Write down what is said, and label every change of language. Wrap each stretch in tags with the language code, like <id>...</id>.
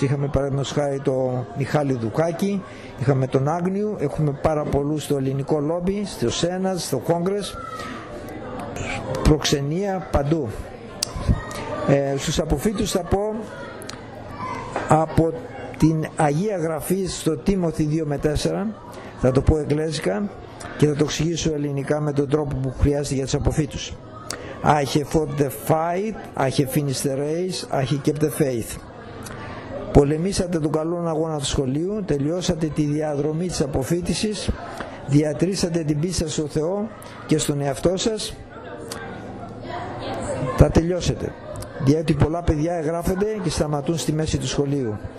<el>Είχαμε παραδείγματος χάρη τον Μιχάλη Δουκάκη, είχαμε τον Άγνιου, έχουμε πάρα πολλούς στο ελληνικό λόμπι, στο Σένατ, στο Κόγκρες, προξενία, παντού. Στους αποφύτους θα πω από την Αγία Γραφή στο Τίμωθη 2:4, θα το πω εγγλέζικα και θα το εξηγήσω ελληνικά με τον τρόπο που χρειάζεται για τους αποφύτους.</el> <en>I have fought the fight, I have finished the race, I have kept the faith.</en> <el>Πολεμήσατε τον καλό αγώνα του σχολείου, τελειώσατε τη διαδρομή της αποφύτησης, διατρήσατε την πίστη σας στο Θεό και στον εαυτό σας, θα τελειώσετε. Διότι πολλά παιδιά εγγράφονται και σταματούν στη μέση του σχολείου.</el>